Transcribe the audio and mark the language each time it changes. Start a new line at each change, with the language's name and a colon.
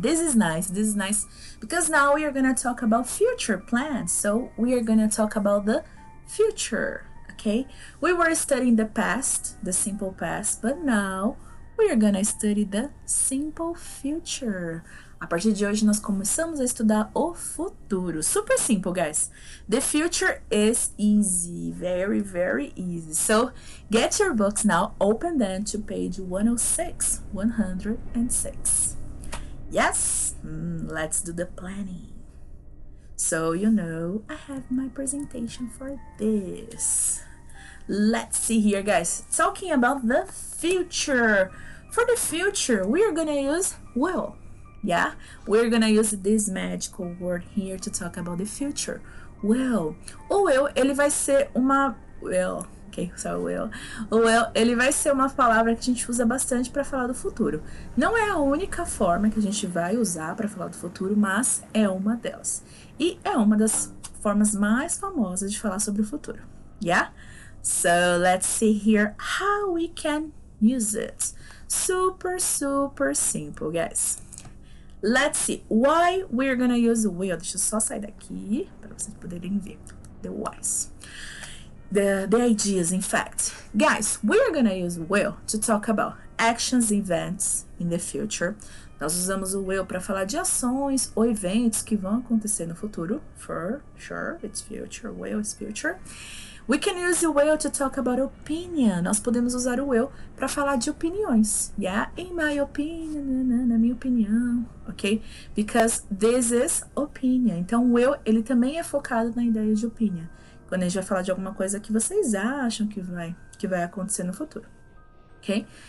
English: This is nice because now we are going to talk about future plans. So we are going to talk about the future, okay? We were studying the past, the simple past, but now we are going to study the simple future.
Portuguese: A partir de hoje, nós começamos a estudar o futuro.
English: Super simple, guys. The future is easy. Very, very easy. So, get your books now. Open them to page 106. 106. Yes? Let's do the planning. So, you know, I have my presentation for this. Let's see here, guys. Talking about the future. For the future, we are going to use will. Yeah, we're gonna use this magical word here to talk about the future.
Portuguese: Will. O will, ele vai ser uma... Will. Ok, só o will. O will, ele vai ser uma palavra que a gente usa bastante para falar do futuro. Não é a única forma que a gente vai usar para falar do futuro, mas é uma delas. E é uma das formas mais famosas de falar sobre o futuro.
English: Yeah? So, let's see here how we can use it. Super, super simple, guys. Let's see why we're gonna use will.
Portuguese: Deixa eu só sair daqui para vocês poderem ver.
English: The whys. The ideas, in fact. Guys, we're gonna use will to talk about actions, events in the future.
Portuguese: Nós usamos o will para falar de ações ou eventos que vão acontecer no futuro.
English: For sure, it's future. Will is future. We can use the will to talk about opinion.
Portuguese: Nós podemos usar o will para falar de opiniões.
English: Yeah, in my opinion,
Portuguese: na minha opinião, ok?
English: Because this is opinion.
Portuguese: Então, o will, ele também é focado na ideia de opinion. Quando a gente vai falar de alguma coisa que vocês acham que vai acontecer no futuro, ok?